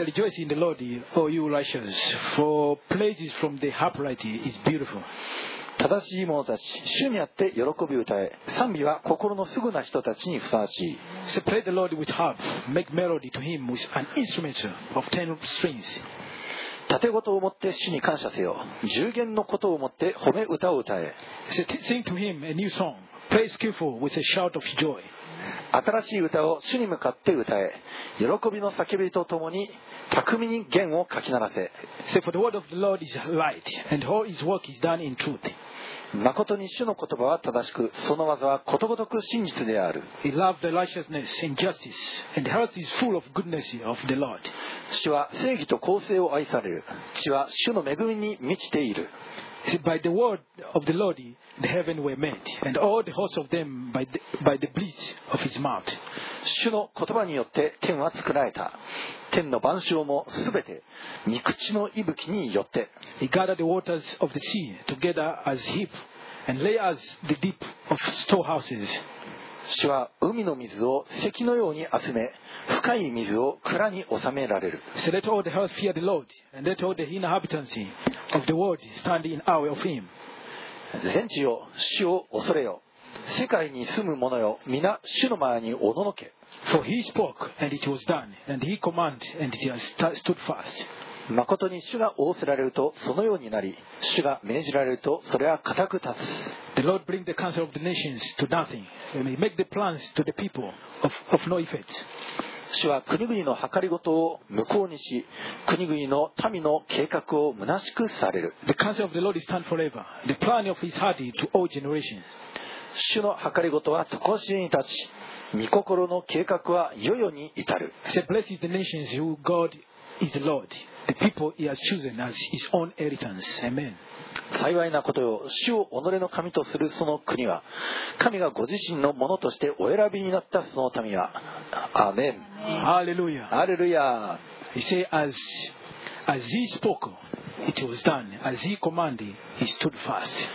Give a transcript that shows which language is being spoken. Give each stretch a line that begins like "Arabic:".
English: So rejoice in the Lord, O you righteous, for praises from the upright is beautiful.
Japanese: 正しい者たち、主にあって喜び歌え、賛美は心のすぐな人たちにふさわしい。
English: So play the Lord with harp, make melody to him with an instrument of ten strings.
Japanese: 盾事を持って主に感謝せよ、十弦のことを持って褒め歌を歌え。
English: So sing to him a new song, play skillful with a shout of joy.
Japanese: 新しい歌を主に向かって歌え、喜びの叫びとともに巧みに弦をかき鳴らせ。
English: So for the word of the Lord is light, and all his work is done in truth.
Japanese: 誠に主の言葉は正しく、その技はことごとく真実である。
English: He loved the righteousness and justice, and the earth is full of goodness of the Lord.
Japanese: 主は正義と公正を愛される。地は主の恵みに満ちている。
English: See, by the word of the Lord, the heaven were made, and all the hosts of them by the breath of His mouth.
Japanese: 主の言葉によって天は作られた。天の万象もすべて御口の息吹によって。
English: He gathered the waters of the sea together as heap, and lay as the deep of storehouses.
Japanese: 主は海の水を石のように集め、深い水を蔵に収められる。
English: So let all the earth fear the Lord, and let all the inhabitants of the world stand in awe of him.
Japanese: 全地よ、主を恐れよ。世界に住む者よ、皆主の前におののけ。
English: For he spoke, and it was done, and he commanded, and it has stood fast.
Japanese: まことに主が仰せられるとそのようになり、主が命じられるとそれは固く立つ。
English: The Lord brings the counsel of the nations to nothing, and He makes the plans to the people of no effect.
Japanese: 主は国々の計りごとを無効にし、国々の民の計画を虚しくされる。
English: The counsel of the Lord stands forever. The plan of His heart is to all generations.
Japanese: 主の計りごとは常しえに立ち、御心の計画は世々に至る。
English: So blessed is the nations who God is the Lord. The people he has chosen as his own inheritance. Amen.
Japanese: 幸いなことよ、主を己の神とするその国は、神がご自身のものとしてお選びになったその民は。アーメン。ハレルヤ。ハレルヤ。
English: He said, as he spoke, it was done. As he commanded, he stood fast.